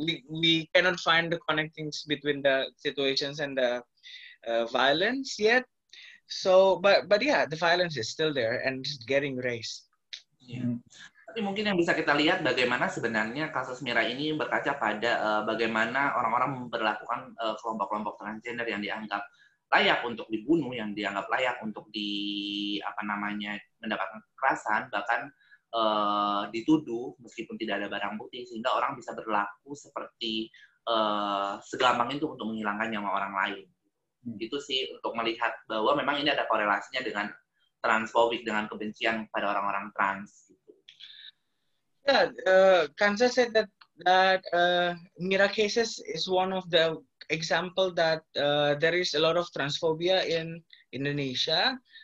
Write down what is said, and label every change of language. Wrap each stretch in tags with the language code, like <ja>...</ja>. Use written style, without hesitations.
<en>We cannot find the connectings between the situations and the violence yet. So, but yeah, the violence is still there and getting raised. Yeah.</en> <id>Tapi mungkin yang bisa kita lihat bagaimana sebenarnya kasus Mira ini berkaca pada bagaimana orang-orang memperlakukan kelompok-kelompok transgender yang dianggap layak untuk dibunuh, yang dianggap layak untuk mendapatkan kekerasan, bahkan dituduh meskipun tidak ada barang bukti, sehingga orang bisa berlaku seperti segampang itu untuk menghilangkan nyawa orang lain. Itu sih untuk melihat bahwa memang ini ada korelasinya dengan transphobic, dengan kebencian pada orang-orang trans.</id> <en>Yeah, Kansa said that Mira cases is one of the example that there is a lot of transphobia in Indonesia.</en>